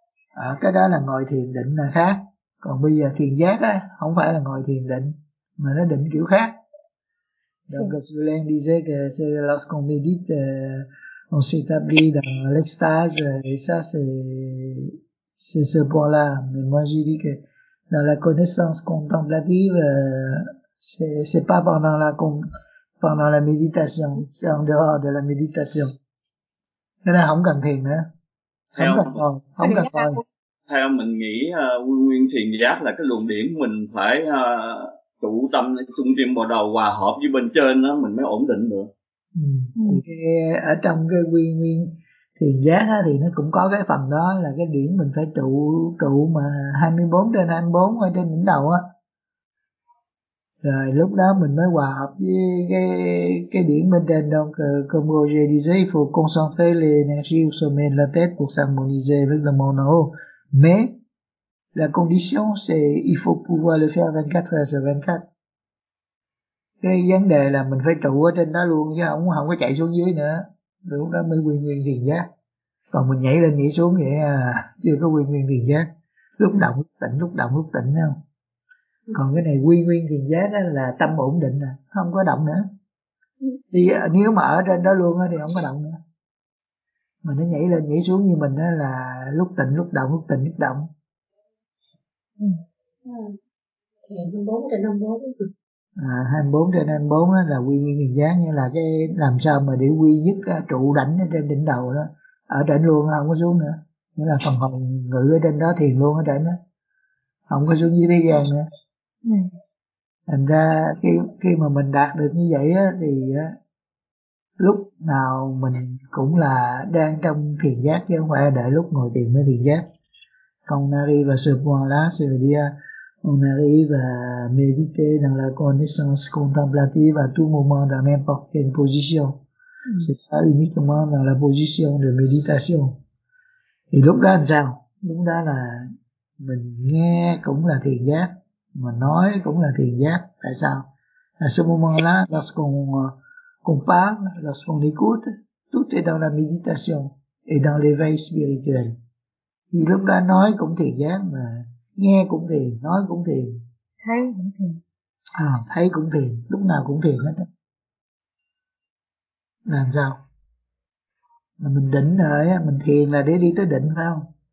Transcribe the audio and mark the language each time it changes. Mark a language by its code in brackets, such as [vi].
[vi] À, cái đó là ngồi thiền định là khác. Còn bây giờ thiền giác á, không phải là ngồi thiền định, mà nó định kiểu khác. [fr] Donc, Julien disait que c'est lorsqu'on médite, on s'établit dans l'extase, et ça, c'est ce point-là. Mais moi, j'ai dit que dans la connaissance contemplative, c'est pas pendant la méditation, c'est en dehors de la méditation. [vi] Nên là không cần thiền nữa. Không cần thiền. Theo mình nghĩ, nguyên thiền giác là cái luồng điển mình phải trụ tâm trung tâm bộ đầu hòa hợp với bên trên đó, mình mới ổn định được. Thì ở trong cái quy nguyên thiền giác á, thì nó cũng có cái phần đó là cái điển mình phải trụ mà 24/24 ở trên đỉnh đầu á, Rồi lúc đó mình mới hòa hợp với cái điển bên trên đâu. [fr] Comme j'ai dit, il faut concentrer l'énergie au sommet de la tête pour s'harmoniser avec le monde en haut. Mais la condition, c'est il faut pouvoir le faire 24h/24. [vi] Cái vấn đề là mình phải trụ ở trên đó luôn, chứ không có chạy xuống dưới nữa. Rồi lúc đó mới quy nguyên thiền giác. Còn mình nhảy lên nhảy xuống vậy à, chưa có quy nguyên thiền giác. Lúc động lúc tỉnh, lúc động lúc tỉnh không? Còn cái này quy nguyên thiền giác là tâm ổn định, không có động nữa. Thì nếu mà ở trên đó luôn thì không có động nữa. Mà nó nhảy lên nhảy xuống như mình là lúc tỉnh lúc động, lúc tỉnh lúc động. Thì 24 trên 24 24 trên 24 là quy nguyên thiền giác, nghĩa là cái làm sao mà để quy dứt trụ đảnh trên đỉnh đầu đó, ở trên luôn không có xuống nữa. Nghĩa là phần hồn ngự ở trên đó thiền luôn ở trên đó, không có xuống dưới thế gian nữa. Thành ra khi mà mình đạt được như vậy á, thì lúc nào mình cũng là đang trong thiền giác, chứ không phải đợi lúc ngồi thiền mới thiền giác. [fr] On arrive à ce point-là, ça veut dire on arrive à méditer dans la connaissance contemplative à tout moment dans n'importe quelle position. C'est pas uniquement dans la position de méditation. Et [vi] lúc đó làm sao? Lúc đó là mình nghe cũng là thiền giác, mà nói cũng là thiền giác. Tại sao? [fr] À ce moment-là, lorsqu'on parle, lorsqu'on écoute, tout est dans la méditation et dans l'éveil spirituel. [vi] Vì lúc đó nói cũng thiền giác, mà nghe cũng thiền, nói cũng thiền, thấy cũng thiền, à thấy cũng thiền, lúc nào cũng thiền hết đó. Làm sao là mình định rồi, mình thiền là để đi tới định phải không?